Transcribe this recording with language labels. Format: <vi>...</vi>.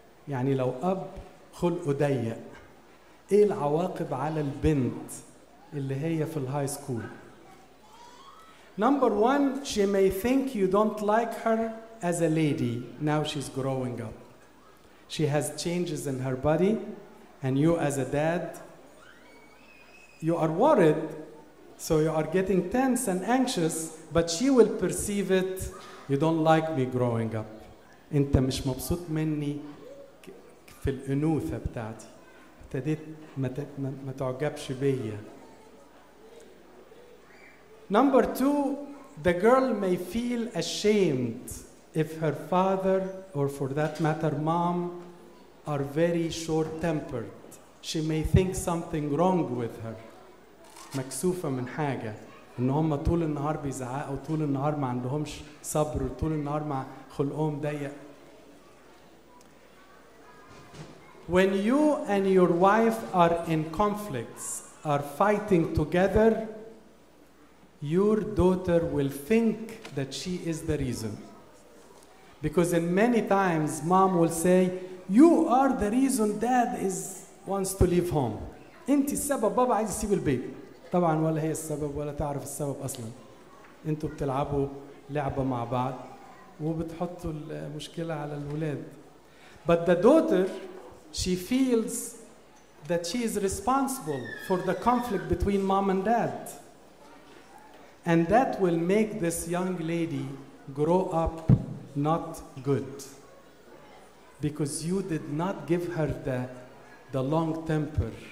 <ar>يعني لو أب خلقه ضيق. إيه العواقب على البنت اللي هي في الهاي سكول؟</ar> <en>Number one, she may think you don't like her as a lady. Now she's growing up. She has changes in her body, and you as a dad, you are worried, so you are getting tense and anxious, but she will perceive it, you don't like me growing up.</en> <ar>أنت مش مبسوط مني في الأنوثة بتاعتي. ابتديت ما تعجبش بيا.</ar> <en>Number two, the girl may feel ashamed if her father, or for that matter, mom, are very short-tempered. She may think something wrong with her.</en> <ar>مكسوفة من حاجة. إن هم طول النهار بيزعقوا طول النهار ما عندهمش صبر طول النهار ما خلقهم ضيق.</ar> <en>When you and your wife are in conflicts, are fighting together, your daughter will think that she is the reason. Because in many times, mom will say, you are the reason dad wants to leave home.</en> <ar>انت السبب بابا عايز يسيب البيت. طبعا ولا هي السبب ولا تعرف السبب اصلا. انتوا بتلعبوا لعبة مع بعض وبتحطوا المشكلة على الولاد.</ar> <en>But the daughter, she feels that she is responsible for the conflict between mom and dad. And that will make this young lady grow up not good. Because you did not give her the long temper.</en>